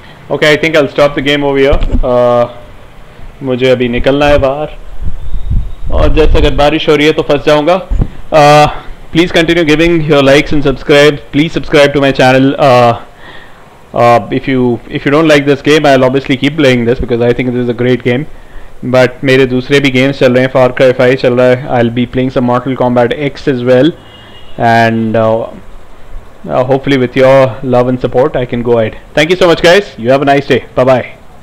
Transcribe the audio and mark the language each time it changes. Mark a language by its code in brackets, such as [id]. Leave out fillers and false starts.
[en] Okay, I think I'll stop the game over here. [hi] मुझे अभी निकलना है बाहर और जैसे अगर बारिश हो रही है तो फंस जाऊंगा [en] Please continue giving your likes and subscribe. Please subscribe to my channel. If you don't like this game, I'll obviously keep playing this because I think this is a great game. But [hi] मेरे दूसरे भी games चल रहे हैं, Far Cry 5 चल रहा है, [en] I'll be playing some Mortal Kombat X as well. And hopefully with your love and support, I can go ahead. Thank you so much, guys. You have a nice day. Bye bye.